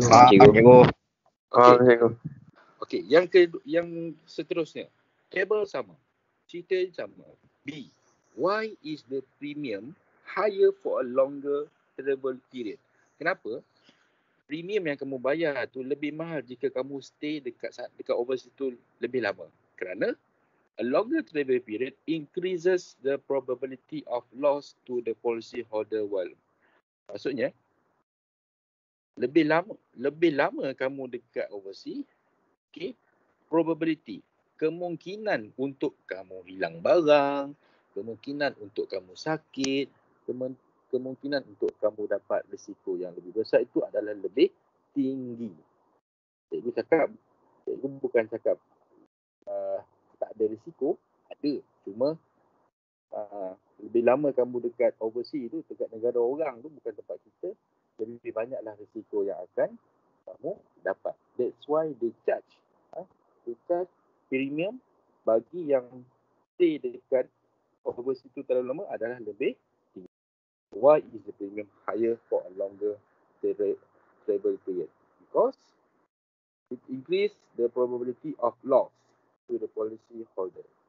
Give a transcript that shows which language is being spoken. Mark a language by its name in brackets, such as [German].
[Malay] Okay, yang kedua, yang seterusnya. Table sama. Cerita sama. [English] B, why is the premium higher for a longer travel period? [Malay] Kenapa premium yang kamu bayar tu lebih mahal jika kamu stay dekat overseas tu lebih lama? Kerana [English] a longer travel period increases the probability of loss to the policy holder world. [Malay] Maksudnya, lebih lama kamu dekat overseas, okay, probability, kemungkinan untuk kamu hilang barang, kemungkinan untuk kamu sakit, kemungkinan untuk kamu dapat risiko yang lebih besar itu adalah lebih tinggi. Cikgu cakap, cikgu bukan cakap tak ada risiko, ada. Cuma lebih lama kamu dekat overseas itu, dekat negara orang tu bukan tempat kita, lebih banyaklah risiko yang akan kamu dapat. [English] That's why they charge. They charge premium [Malay] bagi yang stay dekat overseas itu terlalu lama adalah lebih tinggi. [English] Why is the premium higher for a longer travel period? Because it increases the probability of loss to the policy holder.